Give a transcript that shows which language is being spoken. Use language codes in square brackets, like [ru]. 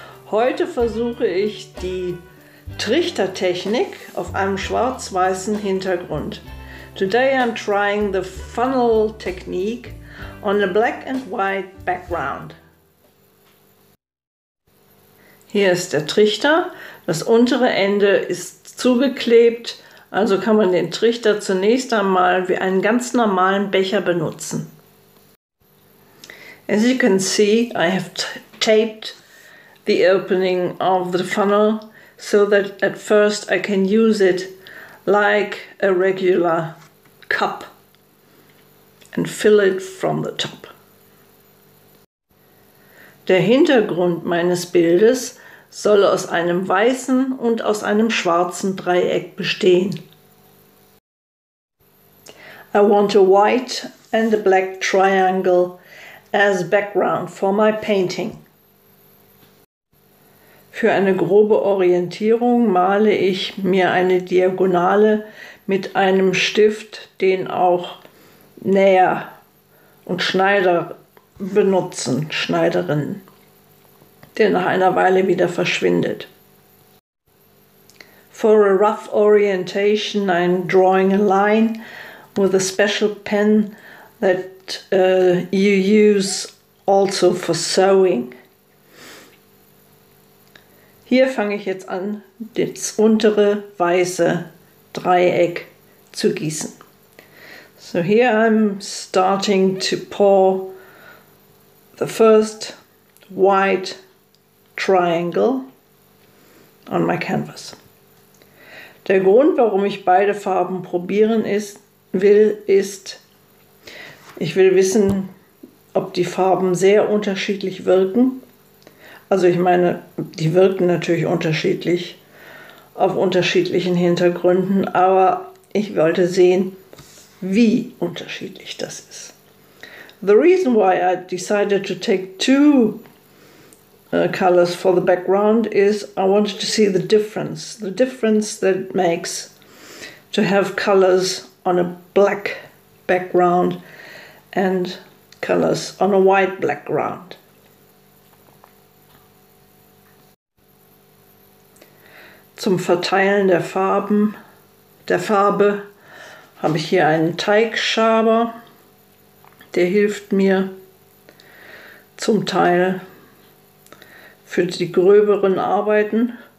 [de] Heute versuche ich die Trichtertechnik auf einem schwarz-weißen Hintergrund. [en] Today I'm trying the funnel technique on a black and white background. [de] Hier ist der Trichter. Das untere Ende ist zugeklebt, also kann man den Trichter zunächst einmal wie einen ganz normalen Becher benutzen. [en] As you can see, I have taped the opening of the funnel so that at first I can use it like a regular cup and fill it from the top. [de] Der Hintergrund meines Bildes soll aus einem weißen und aus einem schwarzen Dreieck bestehen. [en] I want a white and a black triangle as background for my painting. [de] Für eine grobe Orientierung male ich mir eine Diagonale mit einem Stift, den auch Näher und Schneider benutzen, Schneiderinnen, der nach einer Weile wieder verschwindet. [en] For a rough orientation, I'm drawing a line with a special pen that you use also for sewing. [de] Hier fange ich jetzt an, das untere weiße Dreieck zu gießen. [en] So here I'm starting to pour the first white triangle on my canvas. [de] Der Grund, warum ich beide Farben probieren will, ist, ich will wissen, ob die Farben sehr unterschiedlich wirken. Also ich meine, die wirken natürlich unterschiedlich auf unterschiedlichen Hintergründen, aber ich wollte sehen, wie unterschiedlich das ist. [en] The reason why I decided to take two colors for the background is I wanted to see the difference that it makes to have colors on a black background and colors on a white background. [de] Zum Verteilen der Farbe habe ich hier einen Teigschaber, der hilft mir zum Teil für die gröberen Arbeiten.